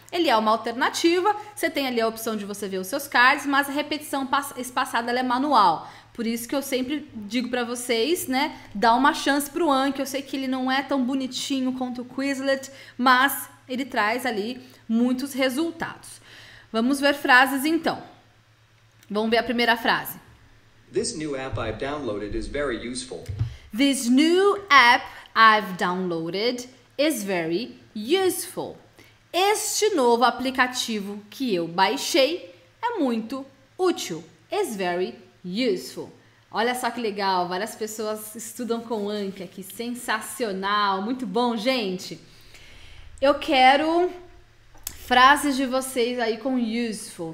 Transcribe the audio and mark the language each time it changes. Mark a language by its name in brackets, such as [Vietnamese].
[Portuguese] Ele é uma alternativa, você tem ali a opção de você ver os seus cards, mas a repetição espaçada ela é manual. Por isso que eu sempre digo para vocês, né, dá uma chance pro Anki. Eu sei que ele não é tão bonitinho quanto o Quizlet, mas ele traz ali muitos resultados. Vamos ver frases então. Vamos ver a primeira frase. [English] This new app I've downloaded is very useful. This new app I've downloaded is very useful. [Portuguese] Este novo aplicativo que eu baixei é muito útil. [English] Is very useful. [Portuguese] Olha só que legal, várias pessoas estudam com Anki aqui. Sensacional, muito bom, gente. Eu quero frases de vocês aí com useful.